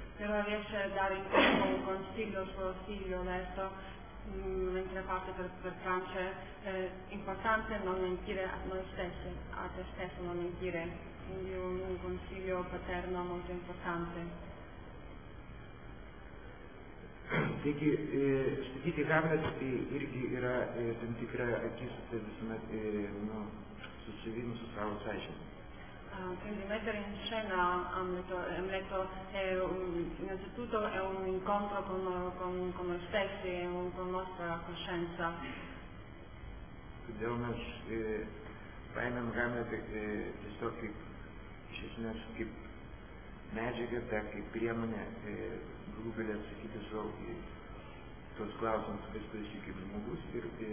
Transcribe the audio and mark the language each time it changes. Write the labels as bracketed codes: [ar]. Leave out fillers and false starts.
[it] Però riesce a dare in tempo un consiglio al suo figlio, adesso, mentre parte per Francia, importante non mentire a noi stessi, a te stesso non mentire, quindi un consiglio paterno molto importante. [lt] Taigi, statyti Hamlet tai irgi yra tam tikra akistata visuomet su savimi, su savo sąžine. [it] Quindi mettere in scena Amleto è innanzitutto è un incontro con noi stessi, con la nostra coscienza. [lt] Todėl mes paėmėm Hamlet tiesiog kaip, iš esmės, kaip medžiaga, dar kaip priemonė. Galų gale atsakyti savo į tuos klausimus, kas tu esi kaip žmogus ir